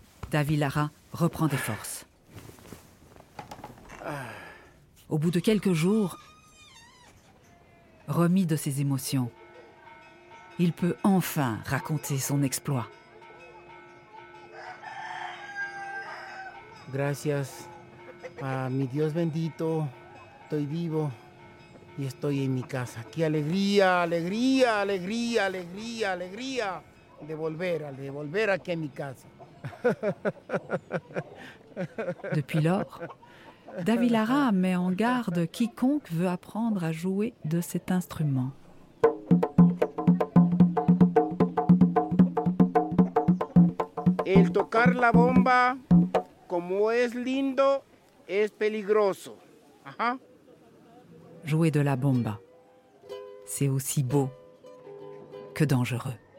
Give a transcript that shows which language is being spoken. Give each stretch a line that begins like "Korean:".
French: David Lara reprend des forces. Au bout de quelques jours, remis de ses émotions, il peut enfin raconter son exploit.
Spanish: Gracias a mi Dios bendito, estoy vivo y estoy en mi casa. Qué alegría, alegría, alegría, alegría, alegría de volver aquí a mi casa.
French: Depuis lors, David Lara met en garde quiconque veut apprendre à jouer de cet instrument.
Spanish: El tocar la bomba, como es lindo, es peligroso.
French: Jouer de la bomba, c'est aussi beau que dangereux.